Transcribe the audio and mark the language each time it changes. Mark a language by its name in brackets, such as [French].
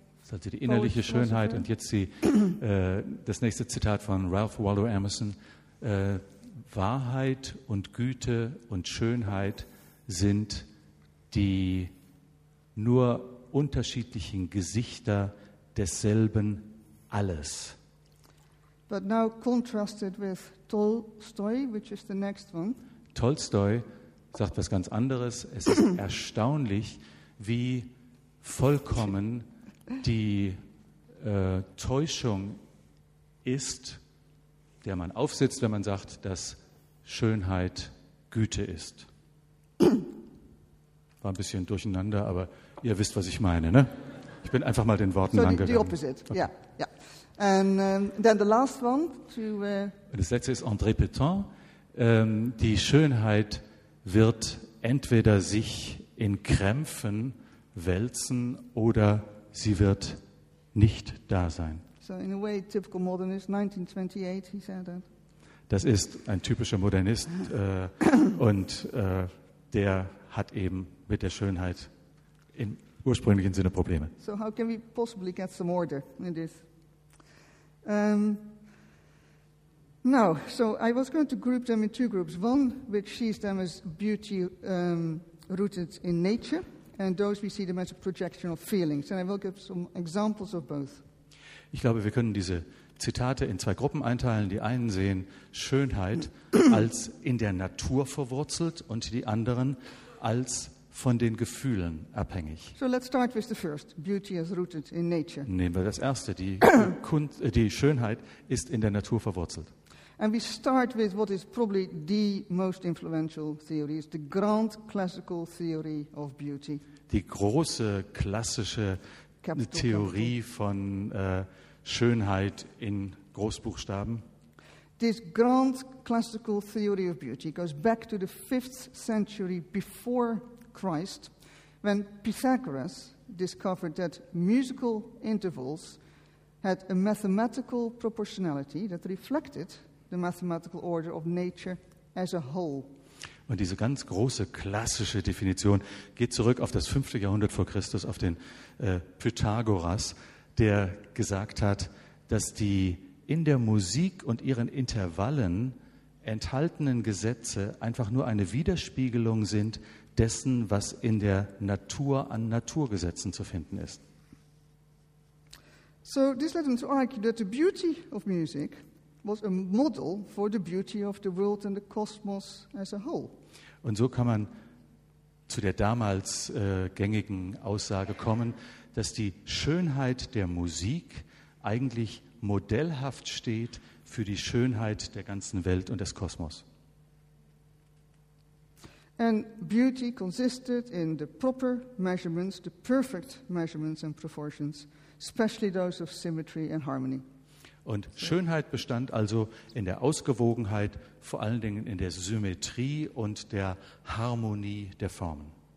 [German] Das also die innerliche Schönheit und jetzt die, das nächste Zitat von Ralph Waldo Emerson. Wahrheit und Güte und Schönheit sind die nur unterschiedlichen Gesichter desselben Alles. [English] But now contrasted with Tolstoy, which is the next one. [German] Tolstoy sagt was ganz anderes. Es ist erstaunlich, wie vollkommen die Täuschung ist, der man aufsitzt, wenn man sagt, dass Schönheit Güte ist. War ein bisschen durcheinander, aber ihr wisst, was ich meine, ne? Ich bin einfach mal den Worten nachgegangen. [English] So, the opposite, ja. Okay. Yeah, yeah. And then the last one to. [German] Das letzte ist André Pétain. Die Schönheit wird entweder sich in Krämpfen wälzen oder sie wird nicht da sein. [English] So in a way, typical modernist, 1928, he said that. [German] Das ist ein typischer Modernist und der hat eben mit der Schönheit im ursprünglichen Sinne Probleme. [English] So how can we possibly get some order in this? Now, so I was going to group them in two groups. One which sees them as beauty rooted in nature, and those we see them as a projection of feelings. And I will give some examples of both. [German] Ich glaube, wir können diese Zitate in zwei Gruppen einteilen. Die einen sehen Schönheit als in der Natur verwurzelt und die anderen als von den Gefühlen abhängig. [English] So let's start with the first. Beauty is rooted in nature. [German] Nehmen wir das erste. Die, die Schönheit ist in der Natur verwurzelt. [English] And we start with what is probably the most influential theory, is the grand classical theory of beauty. [German] Die große klassische Theorie von Schönheit in Großbuchstaben. [English] This grand classical theory of beauty goes back to the 5th century before Christ, when Pythagoras discovered that musical intervals had a mathematical proportionality that reflected the mathematical order of nature as a whole. [German] Und diese ganz große klassische Definition geht zurück auf das 5. Jahrhundert vor Christus, auf den Pythagoras, der gesagt hat, dass die in der Musik und ihren Intervallen enthaltenen Gesetze einfach nur eine Widerspiegelung sind dessen, was in der Natur an Naturgesetzen zu finden ist. [English] So, this led him to argue that the beauty of music was a model for the beauty of the world and the cosmos as a whole. [German] Und so kann man zu der damals gängigen Aussage kommen, dass die Schönheit der Musik eigentlich modellhaft steht für die Schönheit der ganzen Welt und des Kosmos. [English] And beauty consisted in the proper measurements, the perfect measurements and proportions, especially those of symmetry and harmony. [German] Und Schönheit bestand also in der Ausgewogenheit, vor allen Dingen in der Symmetrie und der Harmonie der Formen.